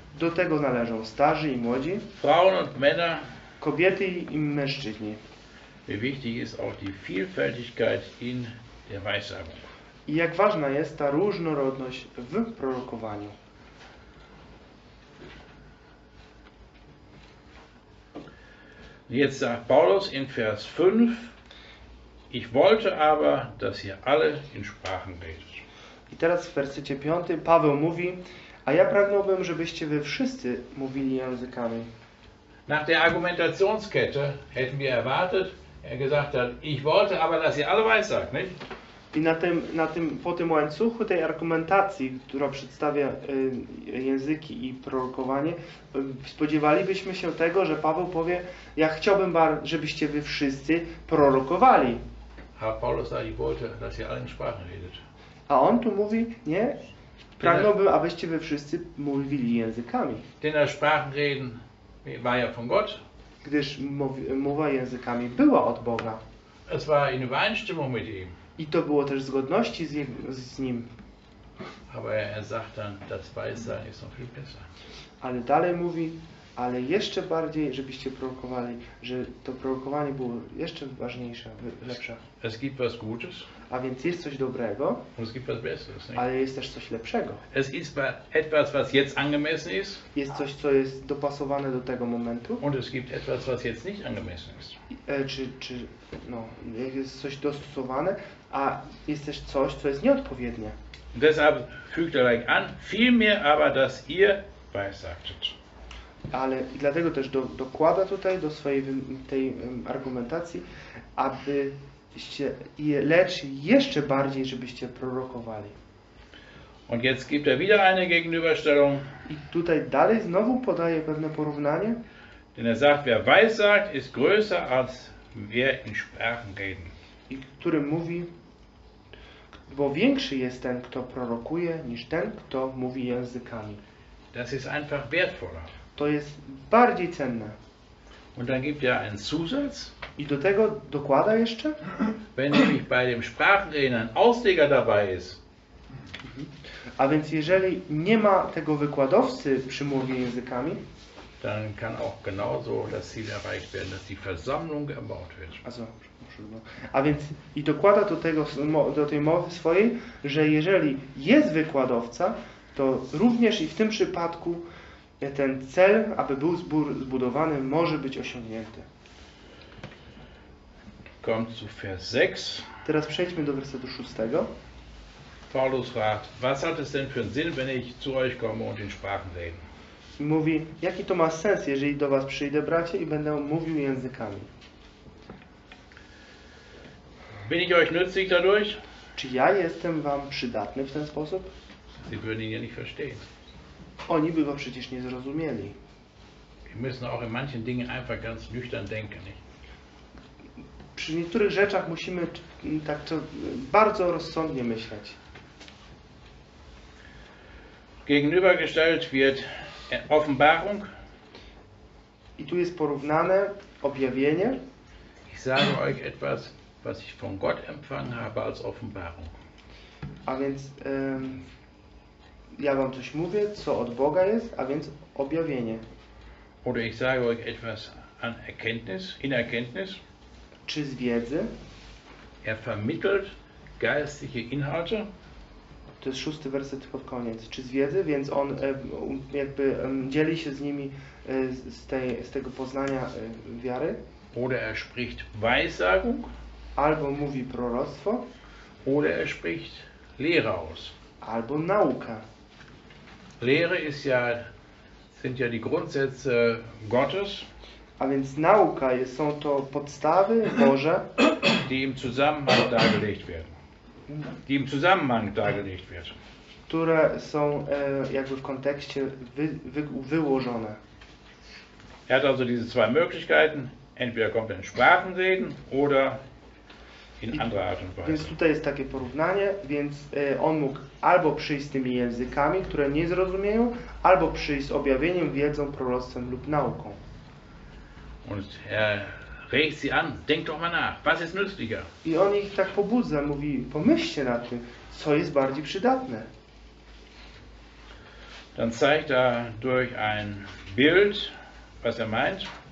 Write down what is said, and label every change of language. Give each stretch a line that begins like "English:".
Polish: Do tego należą starzy i młodzi.
German: Frauen und Männer.
Polish: Kobiety i mężczyźni.
German: Wie wichtig ist auch die Vielfältigkeit in der Weissagung.
Polish: I jak ważna jest ta różnorodność w prorokowaniu.
German: Jetzt sagt Paulus in Vers 5. Ich wollte aber, dass ihr alle in Sprachen redet.
Polish: I teraz w wersecie 5 Paweł mówi, a ja pragnąłbym, żebyście wy wszyscy mówili językami.
German: Nach der Argumentationskette hätten wir erwartet, er gesagt hat, ich wollte aber, dass ihr alle weissagt, nicht?
Polish: I po tym łańcuchu tej argumentacji, która przedstawia języki i prorokowanie, spodziewalibyśmy się tego, że Paweł powie, ja chciałbym, żebyście wy wszyscy prorokowali.
German: A Paulus sagt, ich wollte, dass ihr alle in Sprachen redet.
Polish: A on tu mówi, nie, pragnąłbym, abyście wy wszyscy mówili językami.
German: Denn das Sprachenreden war ja von Gott.
Polish: Gdyż mowa językami była od Boga.
German: Es war in Übereinstimmung mit ihm.
Polish: I to było też w zgodności z nim.
German: Aber er sagt dann, das Weissagen ist noch viel besser.
Polish: Ale dalej mówi, ale jeszcze bardziej, żebyście prorokowali, że to prorokowanie było jeszcze ważniejsze, lepsze.
German: Es gibt was Gutes.
Polish: A więc jest coś dobrego,
German: es gibt was Besseres, nicht?
Polish: Ale jest też coś lepszego.
German: Es ist etwas, was jetzt angemessen ist.
Polish: Jest coś, co jest dopasowane do tego momentu.
German: Und es gibt etwas, was jetzt nicht angemessen ist.
Polish: Jest coś dostosowane, a jest też coś, co jest nieodpowiednie.
German: Deshalb fügt er gleich an, vielmehr aber, dass ihr weissagtet.
Polish: Ale i dlatego też dokłada tutaj do swojej tej argumentacji, abyście lecz jeszcze bardziej, żebyście prorokowali.
German: Und jetzt gibt er wieder eine Gegenüberstellung.
Polish: I tutaj dalej znowu podaje pewne porównanie.
German: Denn er sagt, wer weissagt, ist größer als wer in Sprachen reden.
Polish: I który mówi, bo większy jest ten, kto prorokuje, niż ten, kto mówi językami.
German: Das ist einfach wertvoller.
Polish: To jest bardziej cenne.
German: Und dann gibt ja einen Zusatz.
Polish: I do tego dokłada jeszcze.
German: Wenn nämlich bei dem Sprachenreden ein Ausleger dabei ist.
Polish: A więc jeżeli nie ma tego wykładowcy przy mówie językami,
German: dann kann auch genauso das Ziel erreicht werden, dass die Versammlung erbaut wird.
Polish: A więc i dokłada do tej mowy swojej, że jeżeli jest wykładowca, to również i w tym przypadku ten cel, aby był zbór zbudowany, może być osiągnięty.
German: Kommt zu Vers 6.
Polish: Teraz przejdźmy do wersetu 6.
German: Paulus fragt, was hat es denn für einen Sinn, wenn ich zu euch komme und in Sprachen rede?
Polish: I mówi, jaki to ma sens, jeżeli do was przyjdę, bracie, i będę mówił językami?
German: Bin ich euch nützlich dadurch?
Polish: Czy ja jestem wam przydatny w ten sposób?
German: Sie würden ihn ja nicht verstehen.
Polish: Oni by go przecież nie zrozumieli.
German: Wir müssen auch in manchen Dingen einfach ganz nüchtern denken, nicht?
Polish: Przy niektórych rzeczach musimy tak to bardzo rozsądnie myśleć.
German: Gegenübergestellt wird Offenbarung.
Polish: I tu jest porównane objawienie.
German: Ich sage euch etwas, was ich von Gott empfangen habe als Offenbarung.
Polish: A więc ja wam coś mówię, co od Boga jest, a więc objawienie.
German: Oder ich sage euch etwas an Erkenntnis, in Erkenntnis.
Polish: Czy z wiedzy.
German: Er vermittelt geistliche Inhalte.
Polish: To jest szósty werset pod koniec. Czy z wiedzy, więc on jakby dzieli się z nimi z tego poznania wiary.
German: Oder er spricht Weissagung.
Polish: Albo mówi proroctwo.
German: Oder er spricht Lehre aus.
Polish: Albo nauka.
German: Lehre ist ja, sind ja die Grundsätze Gottes.
Polish: A więc nauka jest, są to podstawy Boże,
German: die im Zusammenhang dargelegt werden. Die im Zusammenhang dargelegt wird.
Polish: Które są jakby w kontekście wyłożone.
German: Er hat also diese zwei Möglichkeiten. Entweder kommt in Sprachenreden oder in anderer Art und Weise.
Polish: Więc tutaj jest takie porównanie, więc on mógł albo przyjść z tymi językami, które nie zrozumieją, albo przyjść z objawieniem, wiedzą, proroctwem lub nauką.
German: Und er regt sie an, denk doch mal nach, was ist nützlicher?
Polish: I on ich tak pobudza, mówi, pomyślcie nad tym, co jest bardziej przydatne.
German: Dann zeigt er durch ein Bild, was er meint.